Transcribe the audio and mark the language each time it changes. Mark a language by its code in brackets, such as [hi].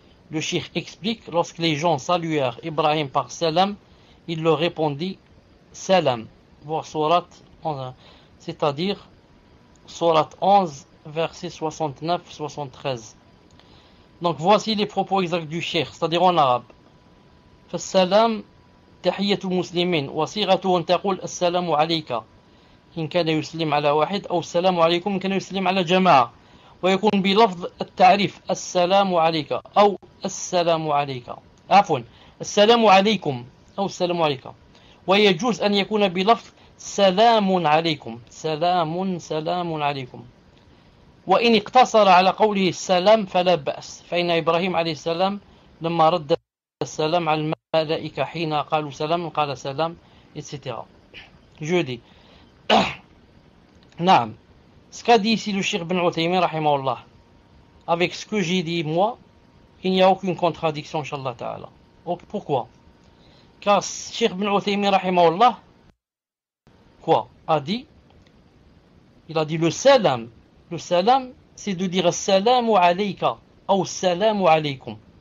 [fr] Le Cheikh explique, lorsque les gens saluèrent Ibrahim par salam, il leur répondit salam. Voir sourate 11, c'est-à-dire sourate 11, verset 69-73. Donc voici les propos exacts du Cheikh, c'est-à-dire en arabe. [ar] فالسلام تحية المسلمين وصيغته أن تقول السلام عليك إن كان يسلم على واحد أو السلام عليكم إن كان يسلم على جماعة ويكون بلفظ التعريف السلام عليك أو السلام عليك عفوا السلام عليكم أو السلام عليك ويجوز أن يكون بلفظ سلام عليكم، سلام سلام عليكم. وإن اقتصر على قوله السلام فلا بأس، فإن إبراهيم عليه السلام لما رد السلام على الملائكة حين قالوا سلام قال سلام etc. [fr] جودي نعم ce qu'a dit ici le Cheikh Ben Uthaymin rahimahullah avec ce que j'ai dit moi, il n'y a aucune contradiction inshallah ta'ala. Pourquoi? Car Cheikh Ben Uthaymin rahimahullah quoi a dit, il a dit le salam c'est de dire salamu alayka ou salamu alaykum.